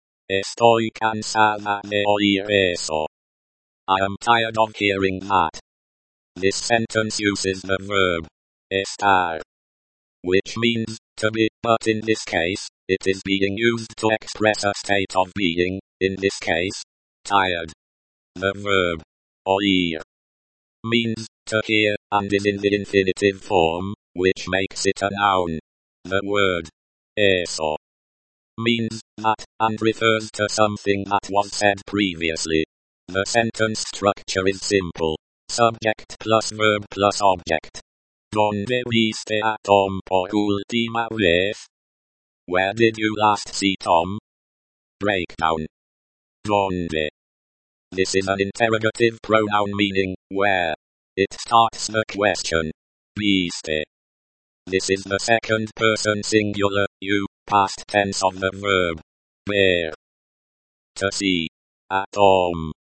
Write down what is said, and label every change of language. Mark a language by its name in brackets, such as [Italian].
[Spanish] Estoy cansada de oír eso. [English] I am tired of hearing that. This sentence uses the verb estar, which means to be, but in this case, it is being used to express a state of being, in this case, tired. The verb, oír, means, to hear, and is in the infinitive form, which makes it a noun. The word, eso, means, that, and refers to something that was said previously. The sentence structure is simple. Subject plus verb plus object. [Spanish] ¿Dónde viste a Tom por última vez? [English] Where did you last see Tom? Breakdown. ¿Dónde? This is an interrogative pronoun meaning, where. It starts the question. ¿Viste? This is the second person singular, you, past tense of the verb. Ver. fantasy. Atom.